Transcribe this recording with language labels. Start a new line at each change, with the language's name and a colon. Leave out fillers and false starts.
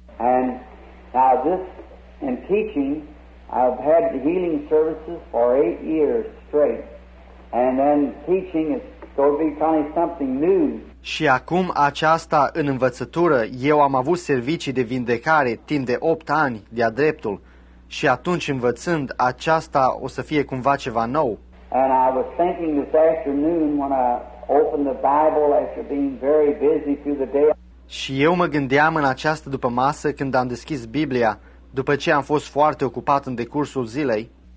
English: And now this, in teaching, I've had the healing services for 8 years straight. And then teaching is going to be kind of something new.
Romanian: Și acum aceasta în învățătură, eu am avut servicii de vindecare timp de 8 ani de-a dreptul. Și atunci învățând, aceasta o să fie cumva ceva nou.
English: And I was thinking this afternoon when I opened the Bible after being very busy through the day.
Romanian: Și eu mă gândeam în această dupămasă când am deschis Biblia, după ce am fost foarte ocupat în decursul zilei.